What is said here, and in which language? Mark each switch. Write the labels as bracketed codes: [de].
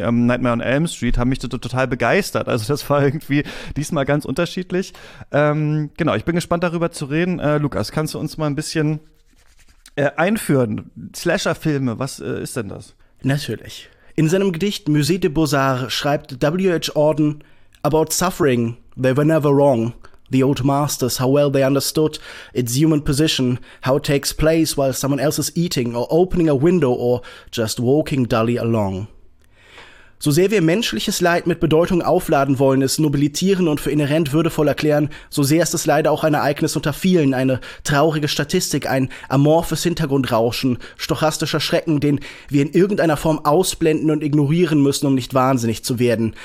[de] Nightmare on Elm Street haben mich total begeistert. Also das war irgendwie diesmal ganz unterschiedlich. Genau, ich bin gespannt darüber zu reden. Lukas, kannst du uns mal ein bisschen einführen? Slasher-Filme, was ist denn das? Natürlich. In seinem Gedicht Musée des Beaux-Arts schreibt W.H. [en] Auden: About suffering, they were never wrong. The old masters, how well they understood its human position, how it takes place while someone else is eating or opening a window or just walking dully along. [de] So sehr wir menschliches Leid mit Bedeutung aufladen wollen, es nobilitieren und für inhärent würdevoll erklären, so sehr ist es leider auch ein Ereignis unter vielen, eine traurige Statistik, ein amorphes Hintergrundrauschen, stochastischer Schrecken, den wir in irgendeiner Form ausblenden und ignorieren müssen, um nicht wahnsinnig zu werden.